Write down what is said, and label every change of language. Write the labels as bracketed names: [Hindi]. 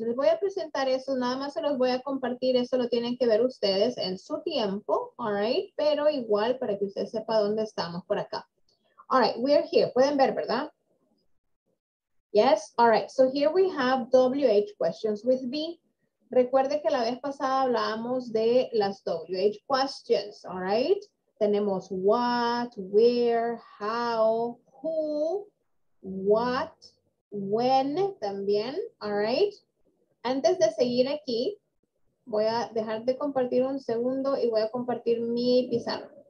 [Spanish] Les voy a presentar eso, nada más se los voy a compartir. Eso lo tienen que ver ustedes en su tiempo. [English] All right. [Spanish] Pero igual para que usted sepa dónde estamos por acá. [English] All right, we're here. [Spanish] Pueden ver, ¿verdad? [English] Yes, all right. So here we have WH questions with B. [Spanish] Recuerde que la vez pasada hablábamos de las WH questions, [English] all right? [Spanish] Tenemos what, where, how, who, what, when también, [English] all right? [Spanish] Antes de seguir aquí, voy a dejar de compartir un segundo y voy a compartir mi pizarra.